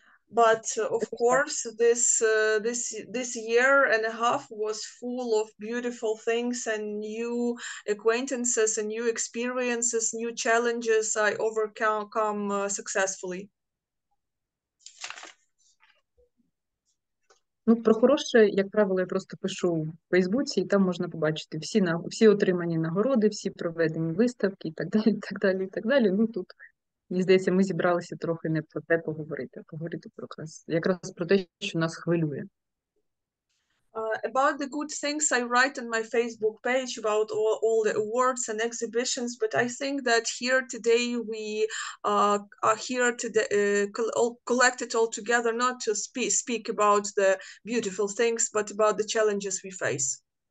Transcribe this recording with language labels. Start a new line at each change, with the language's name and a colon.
English: But of course, this year and a half was full of beautiful things and new acquaintances and new experiences, new challenges I overcome successfully.
Ukrainian: Ну, про хороше, як правило, я просто пишу у Фейсбуці, і там можна побачити всі, всі отримані нагороди, всі проведені виставки і так далі, і так далі, і так далі. Ну, тут, мені здається, ми зібралися трохи не про те поговорити, а поговорити про якраз про те, що нас хвилює.
English: About the good things I write on my Facebook page about all the awards and exhibitions, but I think that here today we are here today collected all together not to speak about the beautiful things, but about the challenges we face.